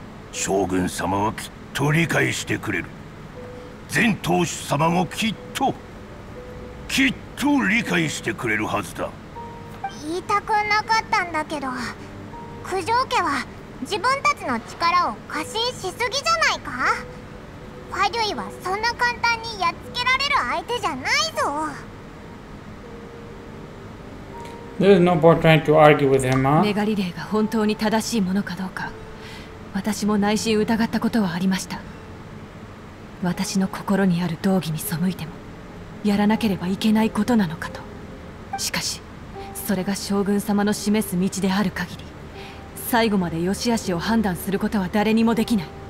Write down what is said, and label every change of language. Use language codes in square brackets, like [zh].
[ja] 将軍様はきっと理解してくれる。前当主様もきっと理解してくれるはずだ。言いたくなかったんだけど、九条家は自分たちの力を過信しすぎじゃないか。ファデュイはそんな簡単にやっつけられる相手じゃないぞ。 [en] There is no point trying to argue with him, huh? [ja] メガリレーが本当に正しいものかどうか、私も内心疑ったことはありました。私の心にある道義に背いてもやらなければいけないことなのかと。しかしそれが将軍様の示す道である限り、最後まで良し悪しを判断することは誰にもできない。